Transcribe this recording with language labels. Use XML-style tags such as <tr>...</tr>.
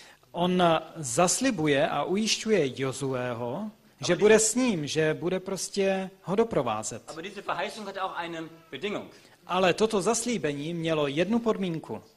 <cs>On zaslibuje a ujišťuje Josueho, že bude s ním, že bude prostě ho doprovázet.</cs> <de>Aber diese Verheißung hatte auch eine Bedingung.</de> <cs>Ale toto zaslíbení mělo jednu podmínku.</cs>